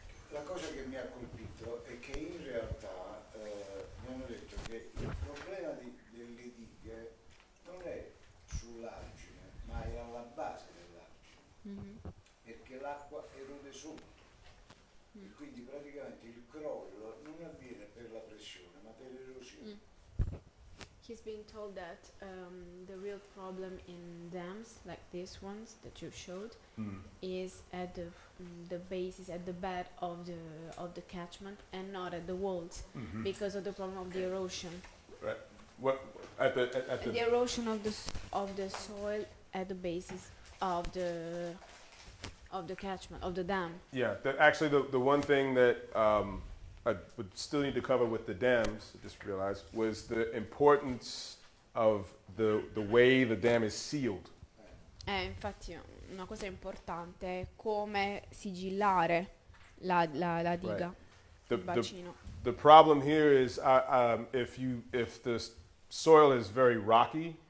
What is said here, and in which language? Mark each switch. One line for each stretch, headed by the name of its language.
Italian: La cosa che mi ha colpito è che in realtà mi hanno detto che il problema delle dighe non è sull'argine, ma è alla base dell'argine, perché l'acqua erode sotto. E quindi praticamente il crollo non avviene per la pressione, ma per l'erosione.
English: He's been told that the real problem in dams like these ones that you showed is at the basis, at the bed of the catchment, and not at the walls, because of the problem of the erosion. Right. What at the erosion of the soil at the basis of the catchment of the dam. Yeah. The one thing that. I would still need to cover with the dams, I just realized, was the importance of the way the dam is sealed.
Italian: Infatti, una cosa importante è come sigillare la diga,
English: right.
Italian: il bacino.
English: The problem here is if the soil is very rocky,